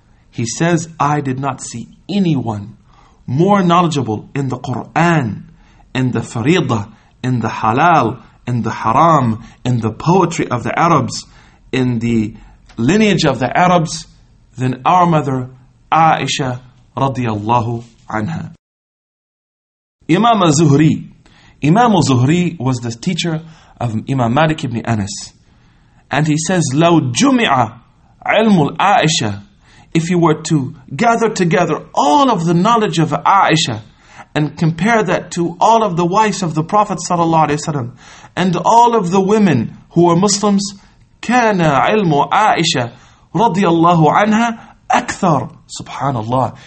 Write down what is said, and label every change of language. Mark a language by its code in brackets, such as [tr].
[en] He says, I did not see anyone more knowledgeable in the Qur'an, in the fariḍa, in the halal, in the haram, in the poetry of the Arabs, in the lineage of the Arabs, than our mother Aisha radiallahu anha. Imam Zuhri. Imam Zuhri was the teacher of Imam Malik ibn Anas. And he says, [ar] لو جمع علم الآئشة. [en] If you were to gather together all of the knowledge of Aisha and compare that to all of the wives of the Prophet sallallahu alaihi wasallam and all of the women who were Muslims, [ar] كان علم عائشة رضي الله عنها أكثر. [en] Subhanallah.